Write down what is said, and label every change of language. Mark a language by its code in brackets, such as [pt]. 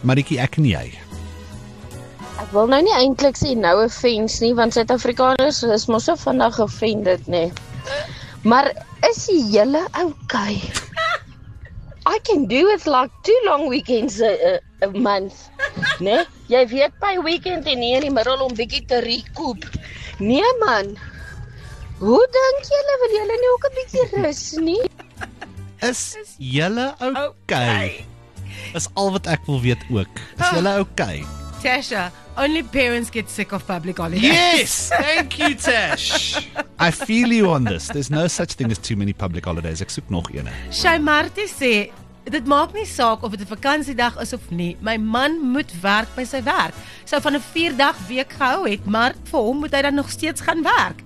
[af] Mariki, ek en jy. Ek wil nou nie eintlik sê [en] no offense [af] nie, want Suid-Afrikaners is mos so vinnig offended, nê. Maar is jy hele okay? [en] I can do with like 2 long weekends a month. [af] Né? Jy weet by weekend en nie in die middel om bietjie te recoup. Nee man. Hoe dink julle wil julle nie ook 'n bietjie rus nie? Is julle okay? Is al wat ek wil weet ook. Is julle okay? [en] Tasha, only parents get sick of public holidays. Yes, thank you, Tash. I feel you on this. There's no such thing as too many public holidays. [af] Ek soek nog ene. Shai Marty sê, dit maak nie saak of dit 'n vakansiedag is of nie. My man moet werk by sy werk. Sou van 'n 4-dag week gehou het, maar vir hom moet hy dan nog steeds gaan werk.